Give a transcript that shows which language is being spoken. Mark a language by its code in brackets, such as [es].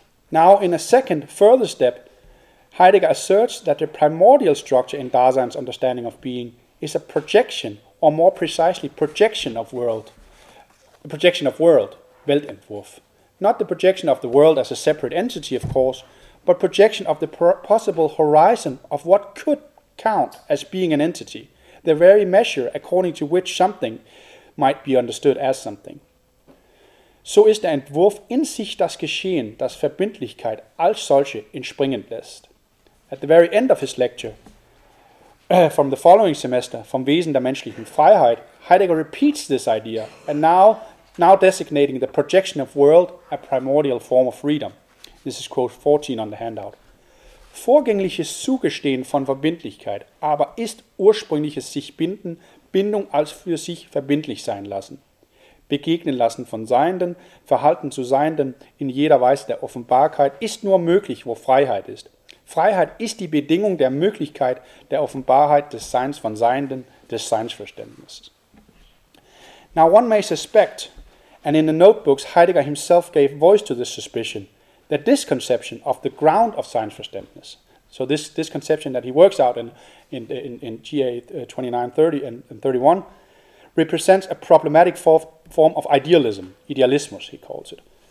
[en] Now, in a second, further step, Heidegger asserts that the primordial structure in Dasein's understanding of being is a projection, or more precisely, projection of world, Weltentwurf. Not the projection of the world as a separate entity, of course, but projection of the possible horizon of what could count as being an entity, the very measure according to which something might be understood as something. [de] So ist der Entwurf in sich das Geschehen, das Verbindlichkeit als solche entspringen lässt. [en] At the very end of his lecture, from the following semester, Vom Wesen der menschlichen Freiheit, Heidegger repeats this idea, and now designating the projection of world a primordial form of freedom. This is quote 14 on the handout. [de] Vorgängliches Zugestehen von Verbindlichkeit, aber ist ursprüngliches sich binden, Bindung als für sich verbindlich sein lassen, begegnen lassen von Seienden, verhalten zu Seienden in jeder Weise der Offenbarkeit, ist nur möglich, wo Freiheit ist. Freiheit ist die Bedingung der Möglichkeit der Offenbarheit des Seins von Seienden, des Seinsverständnisses. [en] Now one may suspect, and in the notebooks Heidegger himself gave voice to this suspicion, that this conception of the ground of Seinsverständnis, so this conception that he works out in GA 29, 30 and 31, represents a problematic form of idealism, idealismus, he calls it.